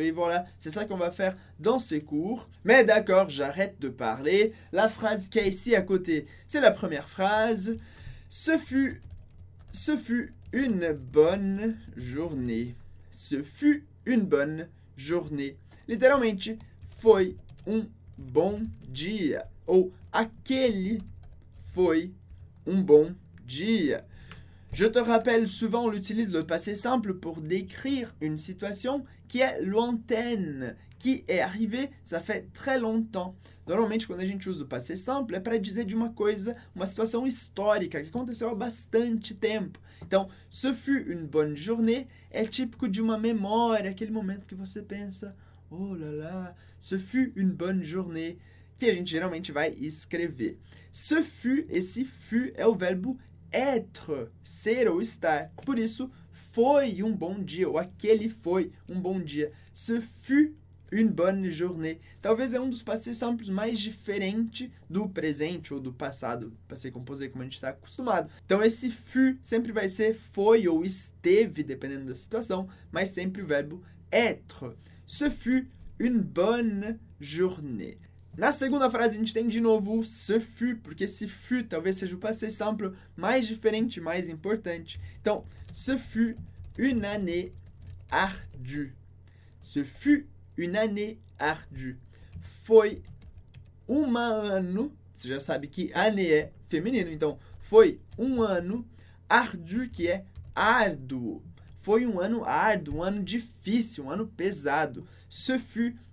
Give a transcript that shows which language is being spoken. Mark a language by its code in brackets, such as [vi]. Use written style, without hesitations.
[fr] Et voilà, c'est ça qu'on va faire dans ces cours. Mais d'accord, j'arrête de parler. La phrase qu'il y a ici à côté, c'est la première phrase. Ce fut une bonne journée. Ce fut une bonne journée. [pt] Literalmente, foi un bon dia. Ou aquele foi un bon dia. [fr] Je te rappelle, souvent on utilise le passé simple pour décrire une situation qui est lointaine, qui est arrivée, ça fait très longtemps. [pt] Normalmente, quando a gente usa o passé simple, é para dizer de uma coisa, uma situação histórica que aconteceu há bastante tempo. Então, [fr] ce fut une bonne journée [pt] é típico de uma memória, aquele momento que você pensa, [fr] oh là là, ce fut une bonne journée, [pt] que a gente geralmente vai escrever. [fr] Ce fut, [pt] esse fut é o verbo être, ser ou estar. Por isso, foi um bom dia, ou aquele foi um bom dia. [fr] Ce fut une bonne journée. [pt] Talvez é um dos passés simples mais diferente do presente ou do passado, passé composé, como a gente está acostumado. Então, esse fut sempre vai ser foi ou esteve, dependendo da situação, mas sempre o verbo être. [fr] Ce fut une bonne journée. [pt] Na segunda frase, a gente tem de novo [fr] ce fut, [pt] porque esse fut talvez seja o passé simple mais diferente, mais importante. Então, [fr] ce fut une année ardue. Ce fut une année ardue. [pt] Foi um ano, você já sabe que année é feminino, então foi um ano ardue, que é árduo. Foi um ano árduo, um ano difícil, um ano pesado. [fr] Ce fut